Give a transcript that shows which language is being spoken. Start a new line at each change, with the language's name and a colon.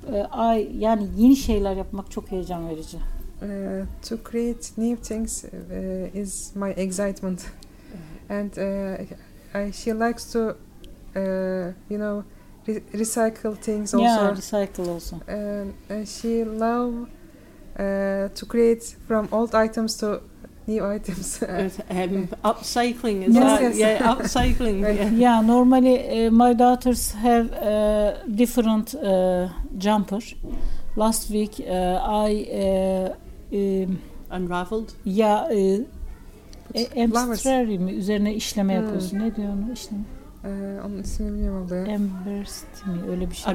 Turkish: Ay yani yeni şeyler yapmak çok heyecan verici.
English: To create new things is my excitement. And she likes to you know recycle things also. Yeah, recycle also. She love to create from old items to new items. upcycling is yes, that? Yes. Yeah, upcycling. Right. Yeah, normally my daughters have different jumper. Last week I unraveled.
Turkish: Yeah, embroidery mi üzerine işleme yapıyorsun? Ne diyor onu işleme? Onun ismini bilmiyorum abi. Embroidery mi öyle bir şey?